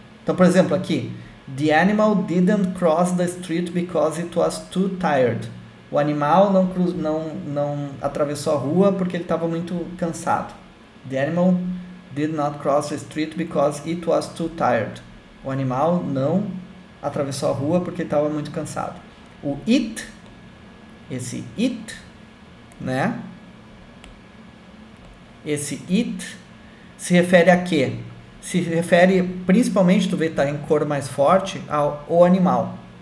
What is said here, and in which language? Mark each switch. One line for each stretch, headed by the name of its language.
Portuguese: Então, por exemplo, aqui,
English: the animal didn't cross the street because it was too tired.
Portuguese: O animal não atravessou a rua porque ele estava muito cansado.
English: The animal did not cross the street because it was too tired.
Portuguese: O animal não atravessou a rua porque estava muito cansado. O it, esse it, né? Esse it se refere a quê? Se refere principalmente, tu vê que tá em cor mais forte, ao o animal.